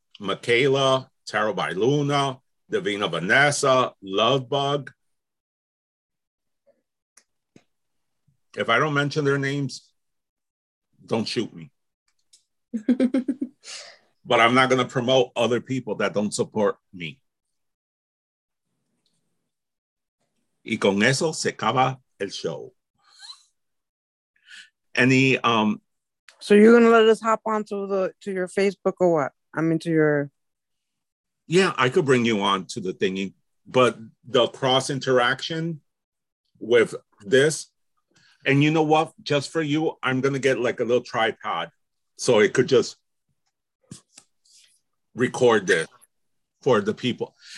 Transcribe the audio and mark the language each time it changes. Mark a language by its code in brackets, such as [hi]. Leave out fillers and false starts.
[en] Michaela, Tarot by Luna, Davina Vanessa, Lovebug. If I don't mention their names, don't shoot me. But I'm not going to promote other people that don't support me. [es] Y con eso se acaba el show. [en] Any So you're gonna let us hop onto your Facebook or what? I mean to your Yeah, I could bring you on to the thingy, but the cross interaction with this, and you know what? Just for you, I'm gonna get like a little tripod so it could just record this for the people.